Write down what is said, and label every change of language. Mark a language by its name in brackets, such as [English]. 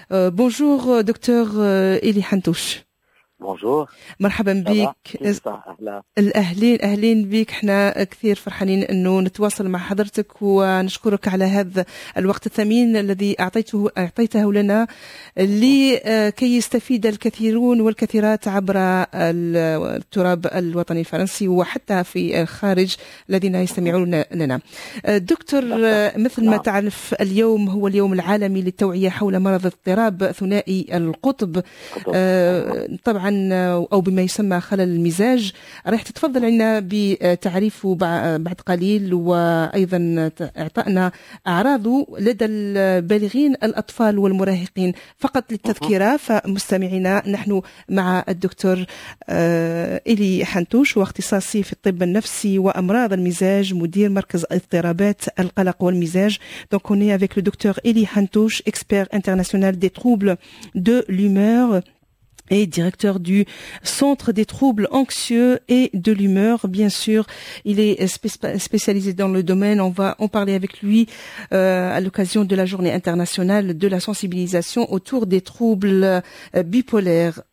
[French] Bonjour, docteur Eli Hantouche. Bonjour, [Arabic] مرحبا [French] ça va? [Arabic] بك. كيف صح؟ أهلا. الأهلين أهلين بك، احنا كثير فرحانين أنه نتواصل مع حضرتك ونشكرك على هذا الوقت الثمين الذي أعطيته لنا لكي يستفيد الكثيرون والكثيرات عبر التراب الوطني الفرنسي وحتى في الخارج الذين يستمعون لنا. دكتور، مثل ما تعرف اليوم هو اليوم العالمي للتوعية حول مرض اضطراب ثنائي القطب، طبعا أو بما يسمى خلل المزاج. رح تتفضل عنا بتعريفه بعد قليل، وأيضا اعطائنا أعراضه لدى البالغين الأطفال والمراهقين. فقط للتذكرة فمستمعينا، نحن مع الدكتور إلي حنتوش، واختصاصي في الطب النفسي وأمراض المزاج، مدير مركز اضطرابات القلق والمزاج. [French] Donc on est avec le docteur Eli Hantouch, expert international des troubles de l'humeur et directeur du Centre des troubles anxieux et de l'humeur. Bien sûr, il est spécialisé dans le domaine. On va en parler avec lui à l'occasion de la journée internationale de la sensibilisation autour des troubles bipolaires.